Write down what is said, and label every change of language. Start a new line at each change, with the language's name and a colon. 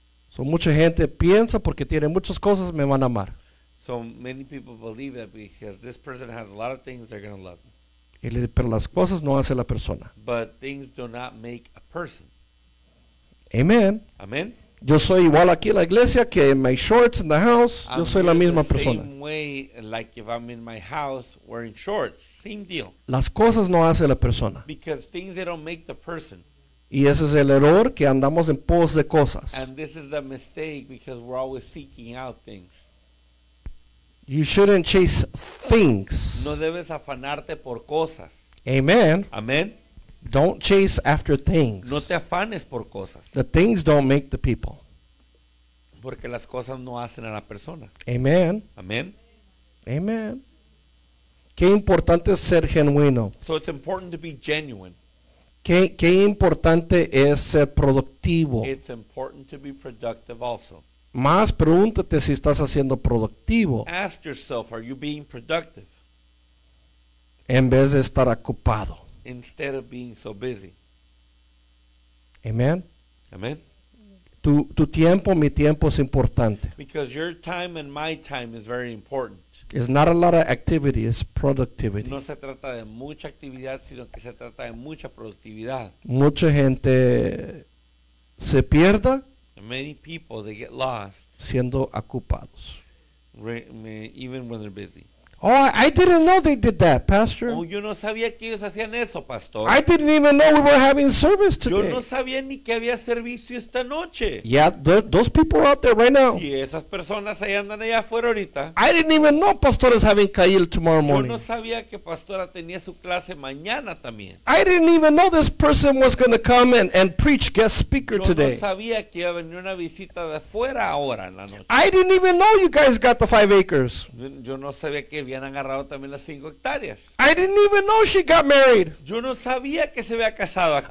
Spanish: So mucha gente piensa porque tiene muchas cosas me van a amar.
English: So many people believe that because this person has a lot of things they're going to love.
Spanish: Pero las cosas no hace la persona.
English: But things do not make a person.
Spanish: Amen.
English: Amen.
Spanish: Yo soy igual aquí en la iglesia que en
English: my shorts in the house. I'm
Spanish: yo soy la misma
English: the same
Spanish: persona.
English: Same way, like if I'm in my house wearing shorts, same deal.
Spanish: Las cosas no hace la persona.
English: Because things they don't make the person.
Spanish: Y ese es el error que andamos en pos de cosas.
English: And this is the mistake because we're always seeking out things. You shouldn't chase things.
Spanish: No debes afanarte por cosas. Amen.
English: Amen. Don't chase after things.
Spanish: No te afanes por cosas.
English: The things don't make the people.
Spanish: Porque las cosas no hacen a la persona. Amen.
English: Amen.
Spanish: Amen. Qué importante es ser genuino.
English: So it's important to be genuine.
Spanish: Qué importante es ser productivo.
English: It's important to be productive also.
Spanish: Más pregúntate si estás haciendo productivo.
English: Ask yourself, are you being productive?
Spanish: En vez de estar ocupado.
English: Instead of being so busy.
Spanish: Amen.
English: Amen.
Spanish: Tu tiempo, mi tiempo es importante.
English: Because your time and my time is very important. It's not a lot of activity, it's productivity.
Spanish: No se trata de mucha actividad, sino que se trata de mucha productividad. Mucha gente se pierda.
English: Many people, they get lost.
Spanish: Siendo ocupados.
English: Even when they're busy. Oh, I didn't know they did that, Pastor.
Spanish: Oh, yo no sabía que ellos hacían eso, Pastor.
English: I didn't even know we were having service today.
Spanish: Yo no sabía ni que había servicio esta noche.
English: Yeah, those people are out there right now.
Spanish: Sí, esas personas ahí andan allá afuera ahorita.
English: I didn't even know Pastor is having Kail tomorrow morning.
Spanish: Yo no sabía que Pastora tenía su clase mañana también.
English: I didn't even know this person was going to come and preach guest speaker
Spanish: yo
English: today.
Spanish: Yo no sabía que iba a venir una visita de afuera ahora en la noche.
English: I didn't even know you guys got the 5 acres.
Spanish: Yo no sabía que habían agarrado también las 5 hectáreas.
English: I didn't even know she got married.
Spanish: Yo no sabía que se había casado aquí.